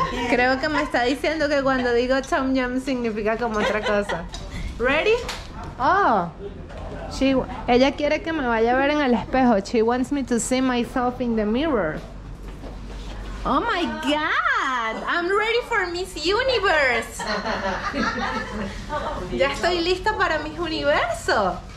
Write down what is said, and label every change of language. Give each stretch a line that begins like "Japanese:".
Spanish: Creo que me está diciendo que cuando digo Tom Yum significa como otra cosa.
English: Ready?
Spanish: Oh. Ella quiere que me vaya a ver en el espejo.
English: She wants me to see myself in the mirror. Oh my God, I'm ready for Miss Universe.
Spanish: Ya estoy lista para Miss Universo.